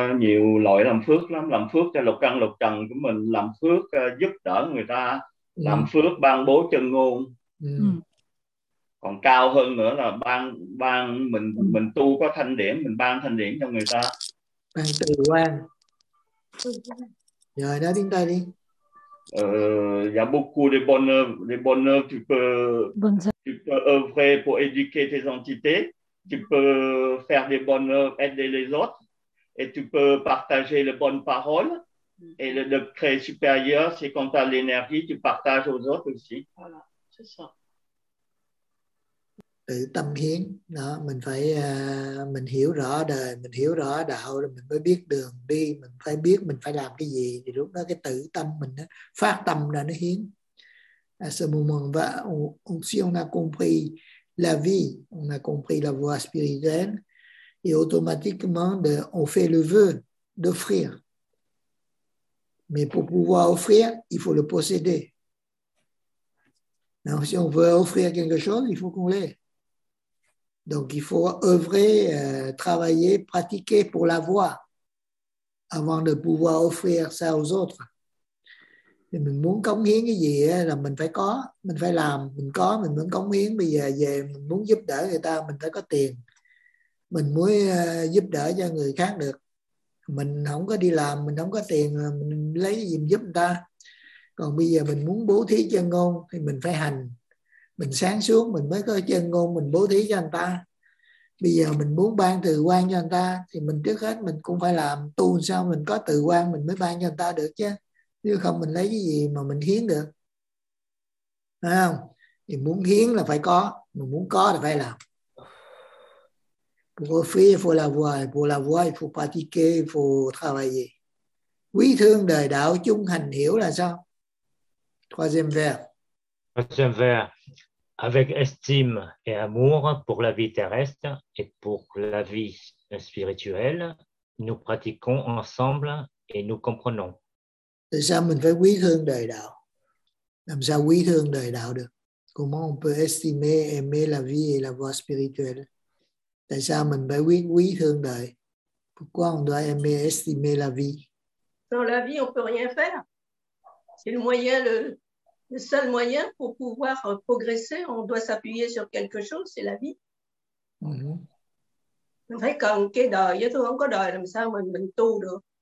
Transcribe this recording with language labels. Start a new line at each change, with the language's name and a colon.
Vietnamese: nhiều loại làm phước lắm, làm phước cho lục căn lục trần của mình, làm phước giúp đỡ người ta, làm phước ban bố chân ngôn. Còn cao hơn nữa là ban mình tu có thanh điển, mình ban thanh điển cho người ta, ban từ quan. Rồi đó, đến đây đi.
French: Il y a beaucoup de bonheur, tu peux œuvrer pour éduquer tes entités, tu peux faire des bonheurs, aider les autres, et tu peux partager les bonnes paroles. Et le degré supérieur, c'est quand tu as l'énergie, tu partages aux autres aussi. Voilà, c'est ça.
Vietnamese: Tự tâm hiến, đó, mình phải mình hiểu rõ đời, mình hiểu rõ đạo rồi mình mới biết đường đi, mình phải biết mình phải làm cái gì, thì lúc đó cái tự tâm mình nó phát tâm ra nó hiến.
French: À ce moment va, si on a compris la vie, on a compris la voie spirituelle, et automatiquement on fait le vœu d'offrir. Mais pour pouvoir offrir, il faut le posséder. Non, si on veut offrir quelque chose, il faut qu'on l'ait. Donc, il faut œuvrer, travailler, pratiquer pour l'avoir avant de pouvoir offrir ça aux autres.
Vietnamese: Thì mình muốn cống hiến cái gì là mình phải có, mình phải làm, mình có, mình muốn cống hiến. Bây giờ về mình muốn giúp đỡ người ta, mình phải có tiền. Mình muốn giúp đỡ cho người khác được. Mình không có đi làm, mình không có tiền, mình lấy cái gì mình giúp người ta. Còn bây giờ mình muốn bố thí chân ngôn thì mình phải hành. Mình sáng suốt mình mới có chân ngôn mình bố thí cho người ta. Bây giờ mình muốn ban từ quan cho người ta thì mình trước hết mình cũng phải làm tu sao mình có từ quan mình mới ban cho người ta được chứ. Nếu không mình lấy cái gì mà mình hiến được. Phải không? Thì muốn hiến là phải có, mà muốn có là phải làm.
French: Pour offrir, il faut l'avoir. Pour l'avoir, il faut pratiquer, il faut travailler.
Vietnamese: Quý thương đời đạo chung hành hiểu là sao?
French: Troisième vers. Avec estime et amour pour la vie terrestre et pour la vie spirituelle, nous pratiquons ensemble et nous comprenons.
Vietnamese: Làm sao mình phải quý thương đời đạo? Làm sao quý thương đời đạo được?
French: Comment on peut estimer, aimer la vie et la voie spirituelle?
Vietnamese: Tại sao mình phải quý thương đời?
French: Pourquoi on doit aimer, estimer la vie? Dans la vie, on peut rien faire. C'est le moyen, le seul moyen pour pouvoir progresser. On doit s'appuyer sur quelque chose, c'est la vie.
Vietnamese: Vậy còn cái đời, với tôi không có đời, làm sao mình tu được?